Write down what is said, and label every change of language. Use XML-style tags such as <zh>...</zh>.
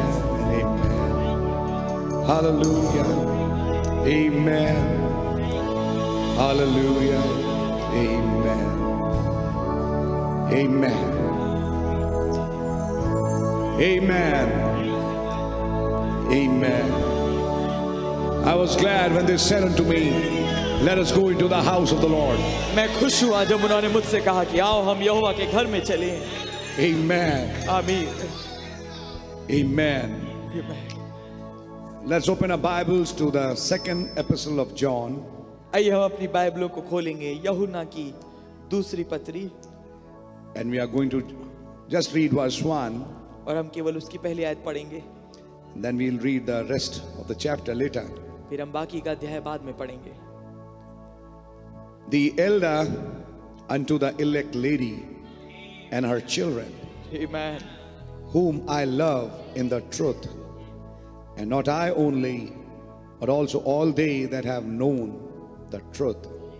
<en>Amen. Hallelujah. Amen. Hallelujah. Amen. Amen. Amen. Amen. I was glad when they said unto me, let us go into the house of the Lord.</en> <hi>मैं खुश हुआ जब उन्होंने मुझसे कहा कि आओ हम यहोवा के घर में चलें.</hi> <en>Amen. Amen. Amen. Let's open our Bibles to the second epistle of John.</en> <hi>आइए हम अपनी बाइबलों को खोलेंगे यूहन्ना की दूसरी पत्री.</hi> <en>And we are going to just read verse 1.</en> <hi>और हम केवल उसकी पहली आयत पढ़ेंगे.</hi> <en>Then we'll read the rest of the chapter later.</en> <hi>फिर हम बाकी का अध्याय बाद में पढ़ेंगे.</hi> <en>The elder unto the elect lady and her children. Amen. Whom I love in the truth. And not I only, but also all they that have known the truth.</en>